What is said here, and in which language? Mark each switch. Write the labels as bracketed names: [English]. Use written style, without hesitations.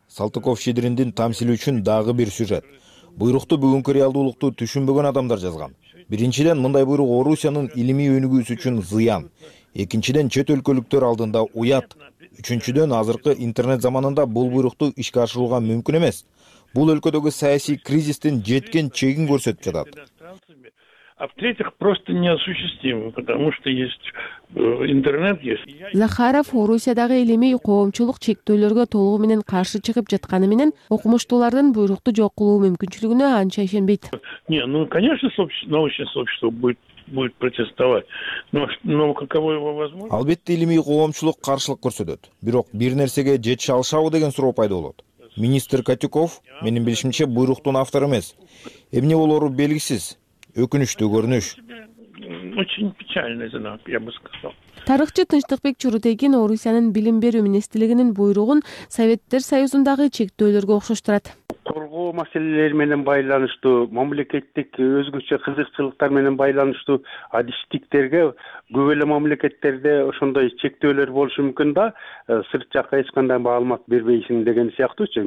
[Kyrgyz] Салтыков Щедриндин тамсили үчүн дагы бир сюжет. Буйрукту бүгүнкү реалдуулукту түшүнбөгөн адамдар жазган. Биринчиден, мындай буйрук Орусиянын илимий өнүгүүсү үчүн зыян. экинчиден чет өлкөлүктөр алдында уят, үчүнчүдөн азыркы интернет заманында бул буйрукту ишке ашырууга мүмкүн эмес. Бул өлкөдөгү саясий кризистин жеткен чегин көрсөтүп жатат. [Russian] А в-третьих, просто неосуществимо, потому что есть интернет, есть. [Kyrgyz] Захаров Орусиядагы илимий коомчулук чектөөлөргө толугу менен каршы чыгып жатканы менен окумуштуулардын буйрукту жок кылуу мүмкүнчүлүгүнө анча ишенбейт. [Russian] Не, ну, конечно, научное сообщество будет протестовать. Но каково его возможность? [Kyrgyz] Албетте илимий коомчулук каршылык көрсөтөт. Бирок бир нерсеге жетиш алышабы деген суроо пайда болот. Министр Катюков, менин билишимче, буйруктун автору эмес. Эмне болору белгисиз. Өкүнүчтүү көрүнүш. [Russian] Очень печальный знак, я бы сказал. [Kyrgyz] Тарыхчы Тынчтыкбек Чурутегин Орусиянын Билим берүү министрлигинин буйругун Советтер Союзундагы чектөөлөргө окшоштурат. Коргоо маселелери менен байланыштуу, мамлекеттик өзгөчө кызыкчылыктар менен байланыштуу адиштиктерге көп эле мамлекеттерде ошондой чектөөлөр болушу мүмкүн да, сырт жакка эч кандай маалымат бербейсиң деген сыяктуучу.